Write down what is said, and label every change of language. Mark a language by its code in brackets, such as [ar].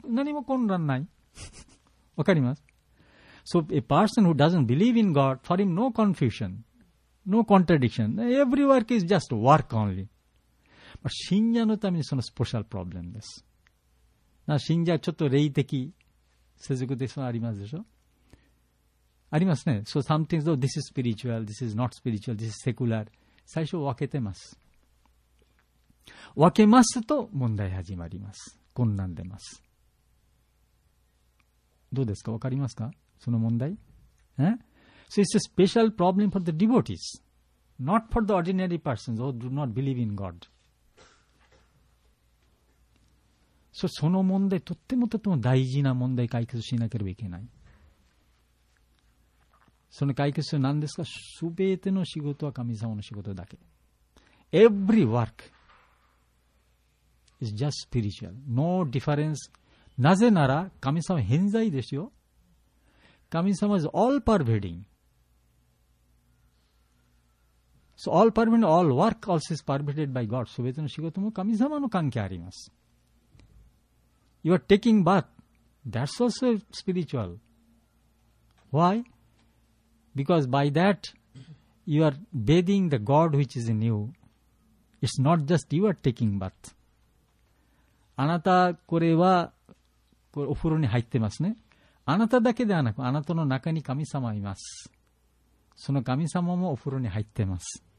[ja] 何も混乱ない。わかります。 [en] So, a person who doesn't believe in God, for him no confusion, no contradiction. Every work is just work only. [ja] But 信者のためにそのスペシャルプロブレムです。な、信者はちょっと霊的、世俗的そうありますでしょ。ありますね。 [en] So, some things though, this is spiritual, this is not spiritual, this is secular. [ja] 最初分けてます。分けますと問題始まります。混乱出ます。どうですか？分かりますか？その問題。 [en] So, it's a special problem for the devotees, not for the ordinary persons who do not believe in God. [ja] So, その問題、とってもとても大事な問題解決しなければいけない。その解決は何ですか？すべての仕事は神様の仕事だけ。 [en] Every work is just spiritual. No difference. [ja] なぜなら神様は偏在ですよ。 [en] 神様 is all pervading. So all pervading, all work also is pervaded by God. [ja] すべての仕事も神様の関係あります。 [en] You are taking bath. That's also spiritual. Why? Because by that, you are bathing the God which is in you. It's not just you are taking bath. [ja] あなたこれはこれお風呂に入ってますね。あなただけではなく、あなたの中に神様います。その神様もお風呂に入ってます。